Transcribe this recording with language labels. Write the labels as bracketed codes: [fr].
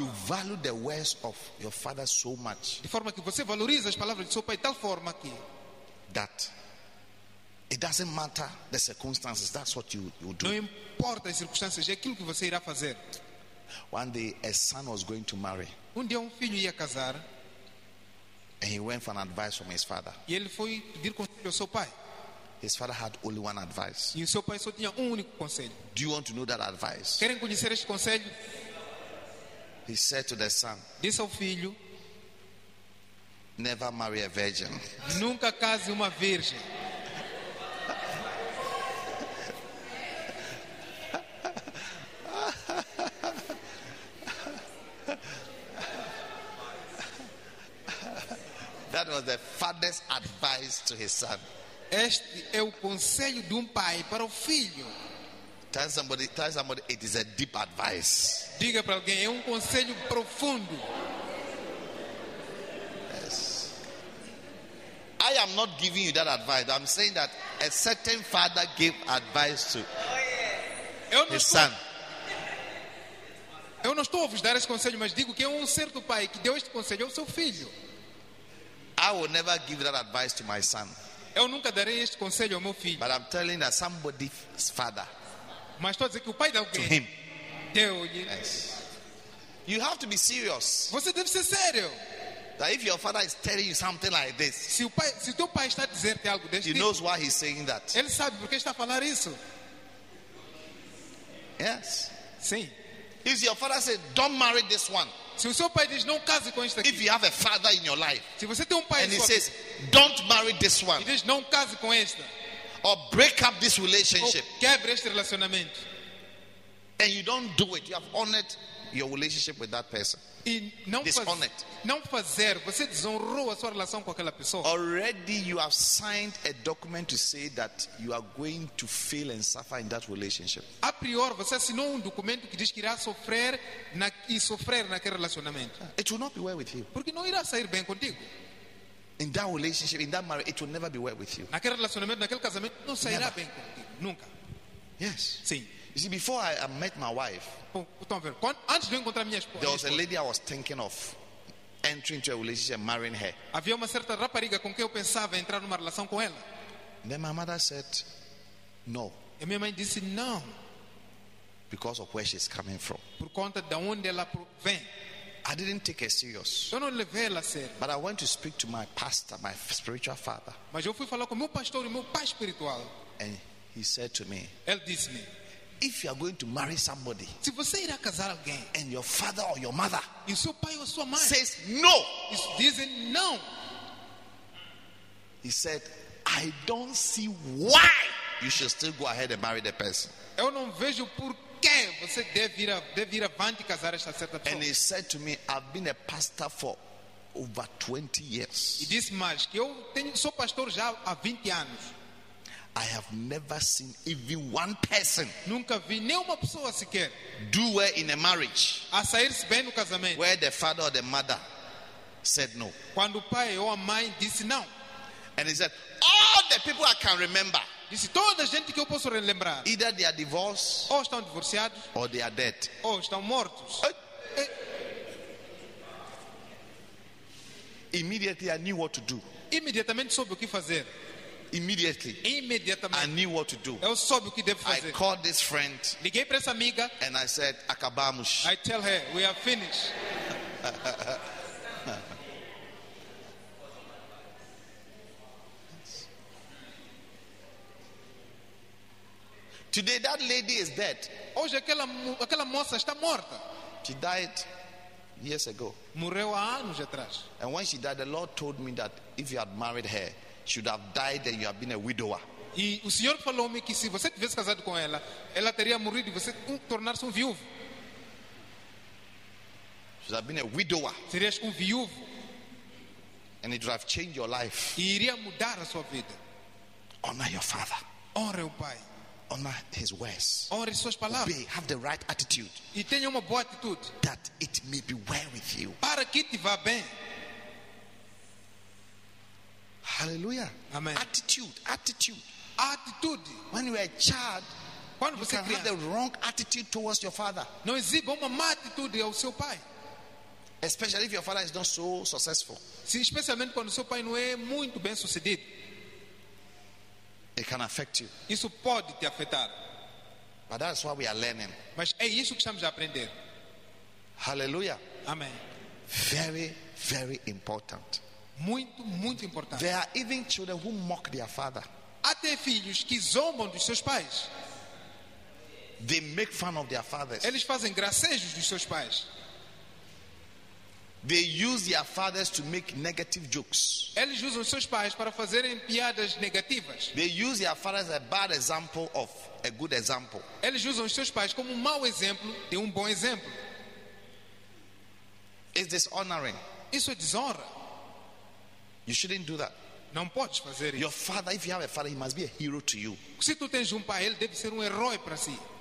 [en] You value the words of your father so much. [pt] De forma que você valoriza as palavras do seu pai de tal forma que. [en] That. It doesn't matter the circumstances. That's what you do. [pt] Não importa as circunstâncias, é aquilo que você irá fazer. [en] One day, a son was going to marry. [pt] Um dia, filho ia casar. [en] And he went for an advice from his father. [pt] E ele foi pedir conselho ao seu pai. [en] His father had only one advice. [pt] E o seu pai só tinha único conselho. [en] Do you want to know that advice? [pt] Querem conhecer este conselho? [en] He said to the son. [pt] Disse ao filho. [en] Never marry a virgin. [pt] Nunca case uma virgem. [en] That was the father's advice to his son. [pt] Este é o conselho de pai para o filho. [en] Tell somebody, it is a deep advice. [pt] Diga para alguém, é conselho profundo. [en] Yes. I am not giving you that advice. I'm saying that a certain father gave advice to his son. [pt] Eu não estou a vos dar esse conselho, mas digo que é certo pai que deu este conselho ao seu filho. [en] I will never give that advice to my son. [pt] Eu nunca darei este conselho ao meu filho. [en] But I'm telling that somebody's father. [pt] Mas estou a dizer que o pai de alguém. [en] To him. [pt] Deu-lhe. [en] Yes. You have to be serious. [pt] Você deve ser sério. [en] That if your father is telling you something like this. [pt] Se teu pai está a dizer-te algo deste [en] tipo. He knows why he's saying that. [pt] Ele sabe porque está a falar isso. [en] Yes. [pt] Sim. [en] If your father says, don't marry this one. [pt] Se o seu pai diz, não case com este aqui. [en] If you have a father in your life. [pt] Se você tem pai [en] and he says, don't marry this one. [pt] E diz, não case com esta. [en] Or break up this relationship. [pt] Ou quebre este relacionamento. [en] And you don't do it. You have honored your relationship with that person. [pt] E não, [en] dishonored. [pt] Não fazer. Você desonrou a sua relação com aquela pessoa. [en] Already you have signed a document to say that you are going to fail and suffer in that relationship. [pt] A priori, você assinou documento que diz que irá sofrer e sofrer naquele relacionamento. [en] It will not be well with you. [pt] Porque não irá sair bem contigo. [en] In that relationship, in that marriage, it will never be well with you. [pt] Naquele relacionamento, naquele casamento, não sairá never. Bem contigo. Nunca. [en] Yes. [pt] Sim. [en] You see, before I met my wife, [pt] antes de encontrar minha esposa, [en] there was a lady I was thinking of entering into a relationship and marrying her. [pt] Havia uma certa rapariga com quem eu pensava entrar numa relação com ela. [en] Then my mother said, no. [pt] E minha mãe disse, não. [en] Because of where she's coming from. [pt] Por conta de onde ela vem. [en] I didn't take her serious. [pt] Eu não levei ela a sério. [en] But I went to speak to my pastor, my spiritual father. [pt] Mas eu fui falar com meu pastor e meu pai espiritual. [en] And he said to me, [pt] ele disse-me, [en] if you are going to marry somebody, [pt] se você irá casar alguém, [en] and your father or your mother, [pt] e seu pai ou sua mãe, [en] says no, [pt] dizem não. [en] He said, I don't see why you should still go ahead and marry the person. [pt] Eu não vejo por que você deve ir avante e casar esta certa pessoa. [en] And he said to me, I've been a pastor for over 20 years. [pt] E disse mais que eu sou pastor já há 20 anos. [en] I have never seen even one person. [pt] Nunca vi nenhuma pessoa sequer. [en] Do well in a marriage. [pt] A sair-se bem no casamento. [en] Where the father or the mother said no. [pt] Quando o pai ou a mãe disse não. [en] And he said, all the people I can remember. [pt] Disse toda a gente que eu posso relembrar. [en] Either they are divorced. [pt] Ou estão divorciados. [en] Or they are dead. [pt] Ou estão mortos. [en] Immediately I knew what to do. [pt] Imediatamente soube o que fazer. [en] Immediately, I knew what to do. [pt] Eu soube o que devo fazer. [en] I called this friend. [pt] Liguei para essa amiga. [en] And I said, [pt] acabamos. [en] I tell her, we are finished. Yes. Today that lady is dead. [pt] Hoje aquela moça está morta. [en] She died years ago. [pt] Morreu há anos atrás. [en] And when she died, the Lord told me that if you had married her, she would have died and you have been a widower. [pt] E o Senhor falou-me que se você tivesse casado com ela, ela teria morrido e você tornar-se um viúvo. [en] She would have been a widower. [pt] Serias um viúvo. [en] And it would have changed your life. [pt] E iria mudar a sua vida. [en] Honor your father. [pt] Honre o pai. [en] Honor his words. [pt] Honre suas palavras. [en] Obey, have the right attitude. [pt] E tenha uma boa atitude. [en] That it may be well with you. [pt] Para que te vá bem. Hallelujah. Amen. [en] Attitude, attitude. Attitude. When you are a child, [pt] quando [en] you can [pt] criança, [en] have the wrong attitude towards your father. [pt] Não exiba uma má atitude ao seu pai. [en] Especially if your father is not so successful. [pt] Sim, especialmente quando seu pai não é muito bem sucedido. [en] It can affect you. [pt] Isso pode te afetar. [en] But that's what we are learning. [pt] Mas é isso que estamos a aprender. Hallelujah. Amen. [en] Very, very important. [pt] Muito, muito importante. [en] There are even children who mock their father. [pt] Há até filhos que zombam dos seus pais. [en] They make fun of their fathers. [pt] Eles fazem gracejos dos seus pais. [en] They use their fathers to make negative jokes. [pt] Eles usam seus pais para fazerem piadas negativas. [en] They use their fathers as a bad example of a good example. [pt] Eles usam seus pais como um mau exemplo de um bom exemplo. [en] It's dishonoring. [pt] Isso é desonra. [en] You shouldn't do that. [pt] Não podes fazer isso. [en] Your father, if you have a father, he must be a hero to you. [pt] Se tu tens pai, ele deve ser herói para si.